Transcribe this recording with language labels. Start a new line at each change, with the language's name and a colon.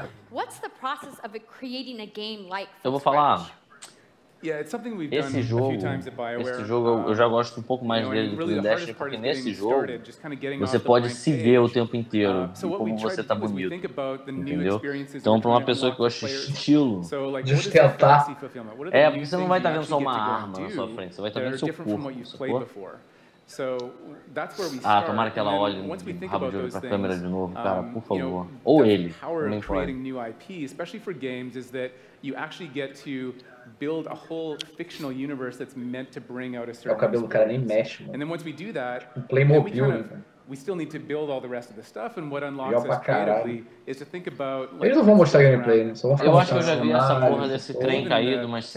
English: What's the process of creating a game like?
Portuguese: Eu vou falar. Esse jogo eu já gosto um pouco mais dele do que o Destiny, porque nesse jogo você pode se ver o tempo inteiro e como você tá bonito, entendeu? Então pra uma pessoa que gosta de estilo, de tentar, é, porque você não vai estar vendo só uma arma na sua frente, você vai estar vendo seu corpo, sacou?
English: So that's where we start.
Portuguese: Ah, tomara que ela olhe o rabo de olho pra câmera de novo, cara, por favor. Ou ele, também pode.
English: New IP, especially for games, is that you actually get to build a whole fictional universe that's meant to bring out a certain.
Portuguese: O cabelo do cara nem mexe, mano.
English: And then once we do that, Playmobil, we still need to build all the rest of the stuff, and what unlocks us creatively is to think about.
Portuguese: Like, eles não vão mostrar gameplay, né? Só vão ficar eu acho que eu já vi essa porra desse trem caído, mas.